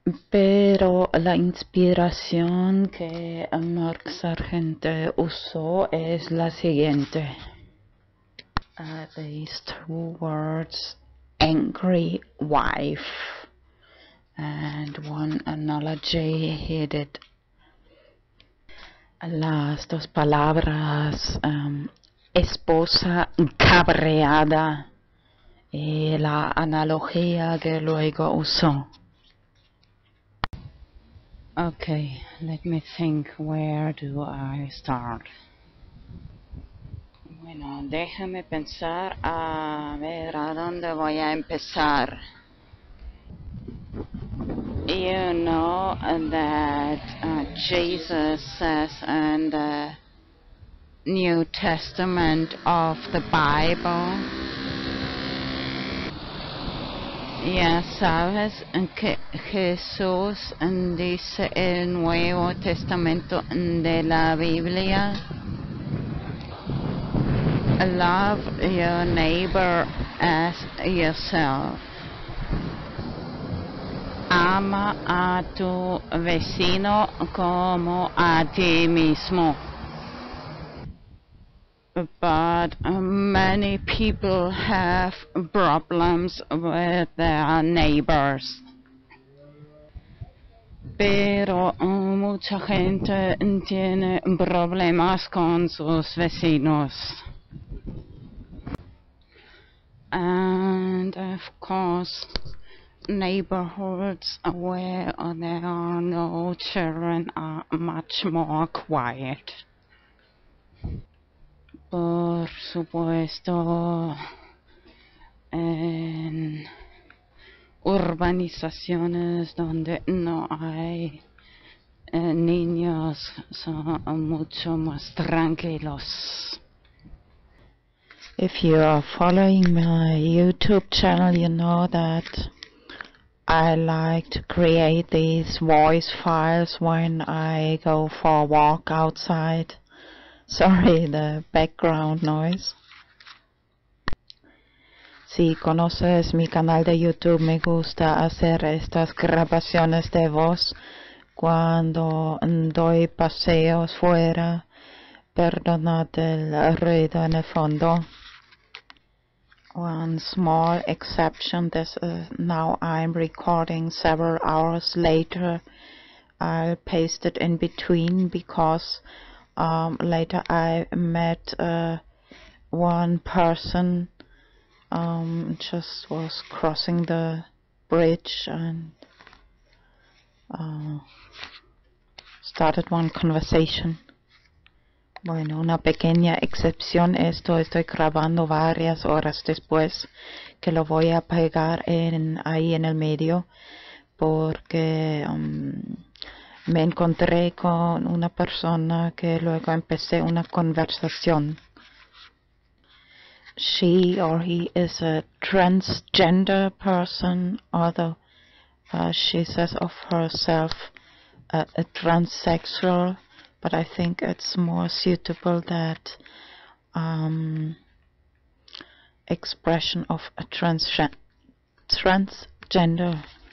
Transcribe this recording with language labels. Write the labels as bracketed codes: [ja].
[es] Pero la inspiración que Mark Sargent usó es la siguiente. [en] These two words, angry wife, and one analogy he did. [es] Las dos palabras, esposa cabreada, y la analogía que luego usó. [en] Okay, let me think, where do I start? [es] Bueno, déjame pensar a ver a dónde voy a empezar. [en] You know that Jesus says in the New Testament of the Bible. [es] Ya sabes que Jesús dice el Nuevo Testamento de la Biblia. [en] Love your neighbor as yourself. [es] Ama a tu vecino como a ti mismo. [en] But many people have problems with their neighbors. [es] Pero mucha gente tiene problemas con sus vecinos. [en] And of course, neighborhoods where there are no children are much more quiet. [es] Por supuesto, en urbanizaciones donde no hay niños, son mucho más tranquilos. [en] If you are following my YouTube channel, you know that I like to create these voice files when I go for a walk outside. Sorry, the background noise. [es] Si conoces mi canal de YouTube, me gusta hacer estas grabaciones de voz cuando doy paseos fuera. Perdonad el ruido en el fondo. [en] One small exception, this is now I'm recording several hours later. I'll paste it in between because later I met one person just was crossing the bridge and started one conversation. [es] Bueno, una pequeña excepción. Esto estoy grabando varias horas después, que lo voy a pegar en ahí en el medio, porque me encontré con una persona que luego empecé una conversación. [en] She or he is a transgender person, although she says of herself a transsexual, but I think it's more suitable that expression of a transgender.